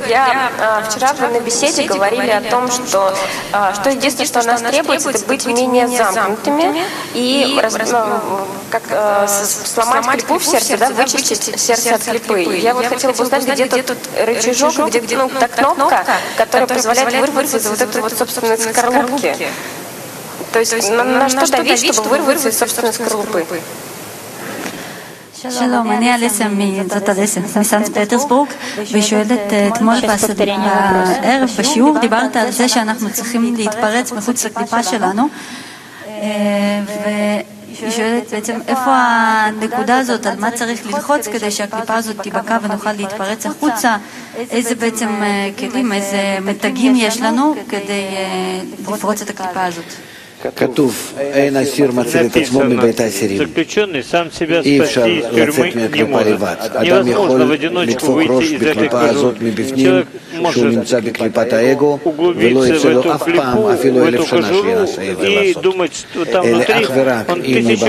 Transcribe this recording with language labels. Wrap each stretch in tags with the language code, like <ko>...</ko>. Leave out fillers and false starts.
<ru>Я вчера на беседе говорили о том, что единственное, что нас требуется, это быть менее замкнутыми и сломать клепу в сердце, да, вычистить сердце от клепы. Я вот хотела бы узнать, где тут рычажок, где ну, та кнопка, которая позволяет вырваться из вот этой вот собственной скорлупки. То есть на что давить, чтобы вырваться из собственной скорлупы?</ru> <he>Шалом, אני אליסה מזאת אליסה, מסנט-פטרסבורג, ושואלת אתמול בערב בשיעור, דיברת על זה שאנחנו צריכים להתפרץ מחוץ לקליפה שלנו, והיא שואלת בעצם איפה הנקודה הזאת, על מה צריך ללחוץ כדי שהקליפה הזאת תיבקע ונוכל להתפרץ החוצה, איזה בעצם כלים, איזה מתגים יש לנו כדי לפרוץ את הקליפה הזאת. Катув, эйн асир мацелит ацмо ми бейт асирим.</he> <ru>Заключенный сам себя спасти из тюрьмы не может. Невозможно в одиночку выйти из этой тюрьмы. Человек может углубиться в эту клипу, в эту кожуру и думать, что там внутри он тысячу</ru>